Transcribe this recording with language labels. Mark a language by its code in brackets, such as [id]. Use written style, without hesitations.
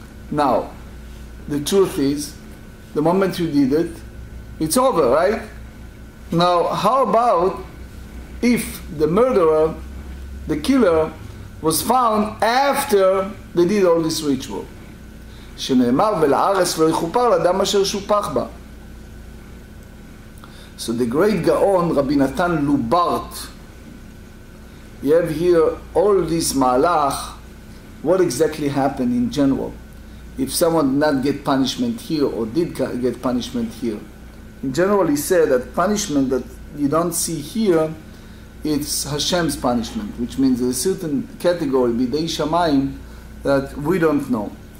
[en] Now, the truth is, the moment you did it, it's over, right? Now, how about if the murderer, the killer, was found after they did all this ritual? [he] שנאמר ולארץ לא יכופר לאדם אשר שופח בה. [en] So the great Gaon, Rabbi Natan Lubart, you have here all this malach, what exactly happened in general? If someone did not get punishment here or did get punishment here. In general, he said that punishment that you don't see here, it's Hashem's punishment, which means there's a certain category, Bidei Shamayim, that we don't know.